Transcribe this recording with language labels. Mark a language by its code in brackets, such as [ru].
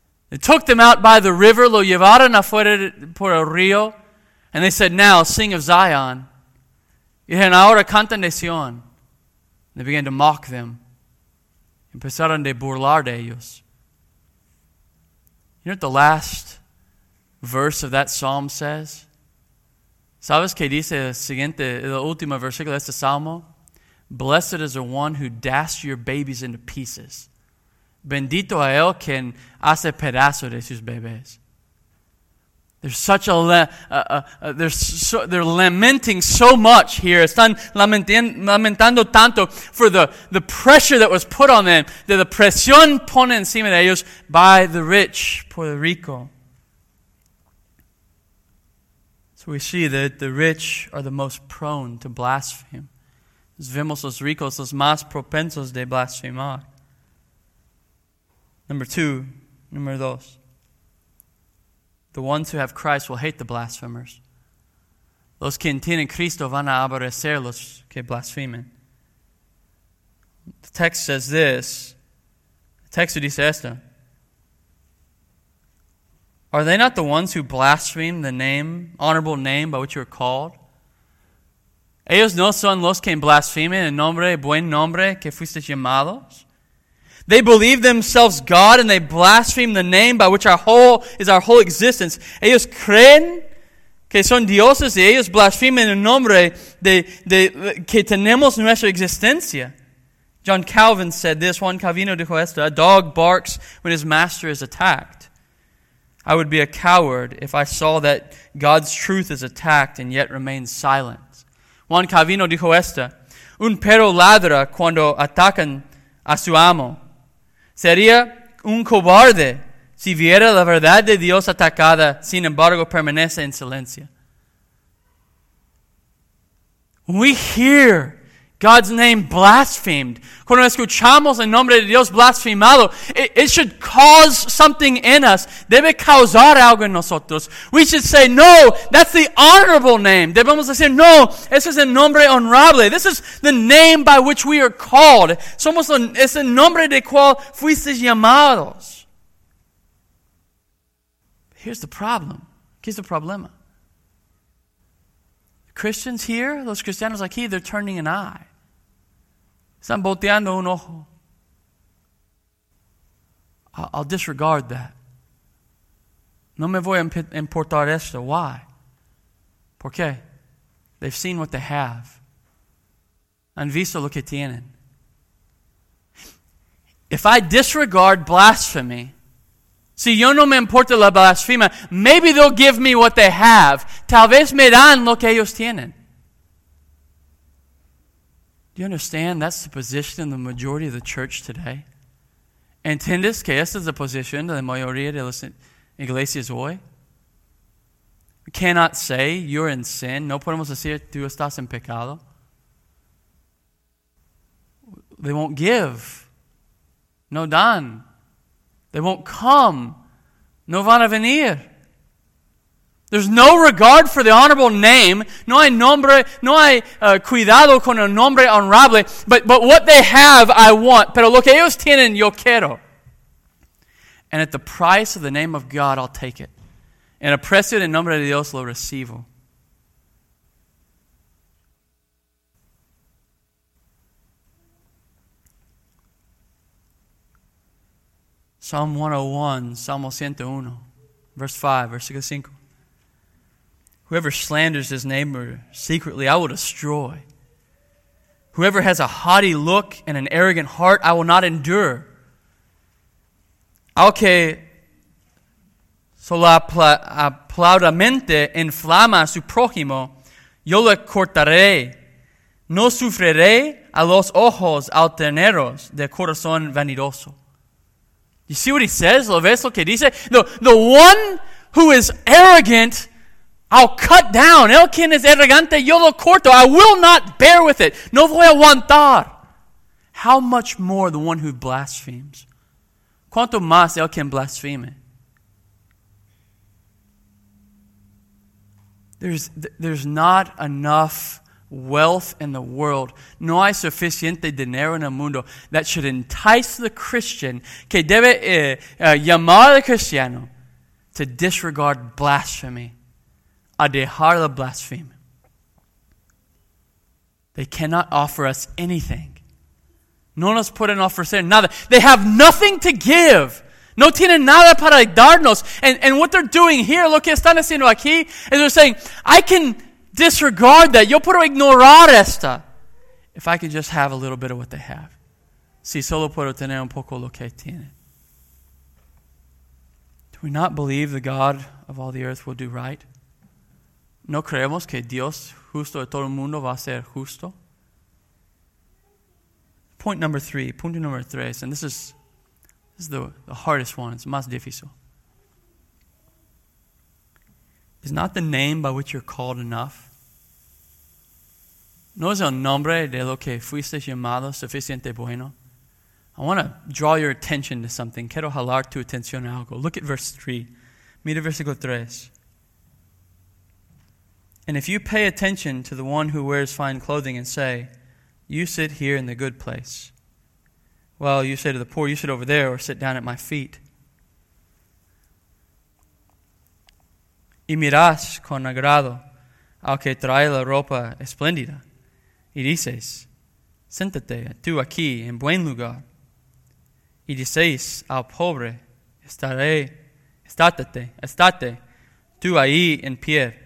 [en] They took them out by the river, [es] lo llevaron afuera por el río, [en] and they said, now, sing of Zion. [es] Y dijeron, ahora canten de Sion. [en] They began to mock them. [es] Empezaron de burlar de ellos. [en] You know what the last verse of that psalm says? [es] ¿Sabes qué dice el siguiente, el último versículo de este salmo? [en] Blessed is the one who dashed your babies into pieces. [es] Bendito a él quien hace pedazo de sus bebés. [en] They're lamenting so much here. [es] Están lamentando tanto [en] for the pressure that was put on them. [es] De la presión pone encima de ellos [en] by the rich, [es] Puerto Rico. [en] So we see that the rich are the most prone to blaspheme. [es] Vemos los ricos los más propensos de blasfemar. [en] Number dos. The ones who have Christ will hate the blasphemers. [es] Los que tienen Cristo van a aborrecer los que blasfemen. [en] The text says this. The text [es] dice esto. [en] Are they not the ones who blaspheme the name, honorable name by which you are called? [es] Ellos no son los que blasfemen el nombre, buen nombre que fuiste llamados? [en] They believe themselves God and they blaspheme the name by which our whole existence. [es] Ellos creen que son dioses y ellos blasfemen el nombre de que tenemos nuestra existencia. [en] John Calvin said this, [es] Juan Calvino dijo esto, [en] a dog barks when his master is attacked. I would be a coward if I saw that God's truth is attacked and yet remains silent. [es] Juan Calvino dijo esto, un perro ladra cuando atacan a su amo. Sería un cobarde si viera la verdad de Dios atacada, sin embargo, permanece en silencio. [en] We hear God's name blasphemed. [es] Cuando escuchamos el nombre de Dios blasfemado, [en] it should cause something in us. [es] Debe causar algo en nosotros. [en] We should say, no, that's the honorable name. [es] Debemos decir, no, ese es el nombre honorable. [en] This is the name by which we are called. [es] Somos es el nombre de cual fuisteis llamados. [en] Here's the problem. [es] ¿Qué es el problema? [en] Christians here, [es] los cristianos aquí, [en] they're turning an eye. [es] Están volteando un ojo. [en] I'll disregard that. [es] No me voy a importar esto. [en] Why? [es] ¿Por qué? [en] They've seen what they have. [es] Han visto lo que tienen. [en] If I disregard blasphemy, [es] si yo no me importa la blasfema, [en] maybe they'll give me what they have. [es] Tal vez me dan lo que ellos tienen. [en] You understand that's the position of the majority of the church today? [es] ¿Entiendes que esta es la posición de la mayoría de las iglesias hoy? [en] We cannot say you're in sin. [es] No podemos decir tú estás en pecado. [en] They won't give. [es] No dan. [en] They won't come. [es] No van a venir. [en] There's no regard for the honorable name. [es] No hay nombre, no hay cuidado con el nombre honorable. [en] But what they have, I want. [es] Pero lo que ellos tienen, yo quiero. [en] And at the price of the name of God, I'll take it. [es] En el precio del nombre de Dios, lo recibo. [en] Psalm 101, Salmo 101, verse 5, versículo 5. Whoever slanders his neighbor secretly, I will destroy. Whoever has a haughty look and an arrogant heart, I will not endure. [es] Aunque solo aplaudamente inflama a su prójimo, yo le cortaré. No sufriré a los ojos altaneros de corazón vanidoso. [en] You see what he says? [es] ¿Lo ves lo que dice? [en] The one who is arrogant, I'll cut down. [es] El quien es arrogante, yo lo corto. [en] I will not bear with it. [es] No voy a aguantar. [en] How much more the one who blasphemes? [es] ¿Cuánto más el quien blasfeme? [en] There's not enough wealth in the world. [es] No hay suficiente dinero en el mundo [en] that should entice the Christian, [es] que debe llamar al cristiano, [en] to disregard blasphemy. [es] A dejar la blasfeme. [en] They cannot offer us anything. [es] No nos pueden ofrecer nada. [en] They have nothing to give. [es] No tienen nada para darnos. [en] And what they're doing here, [es] lo que están haciendo aquí, [en] is they're saying, I can disregard that. [es] Yo puedo ignorar esta. [en] If I can just have a little bit of what they have. [es] Si solo puedo tener un poco lo que tienen. [en] Do we not believe the God of all the earth will do right? [es] ¿No creemos que Dios justo de todo el mundo va a ser justo? Punto número tres, [en] and this is the hardest one, it's [es] más difícil. [en] Is not the name by which you're called enough? [es] ¿No es el nombre de lo que fuiste llamado suficiente bueno? [en] I want to draw your attention to something. [es] Quiero jalar tu atención a algo. [en] Look at verse 3. [es] Mira versículo 3. [en] And if you pay attention to the one who wears fine clothing and say, you sit here in the good place, well, you say to the poor, you sit over there or sit down at my feet. [es] Y miras con agrado al que trae la ropa espléndida y dices, siéntate tú aquí en buen lugar. Y dices al pobre, estate tú ahí en pie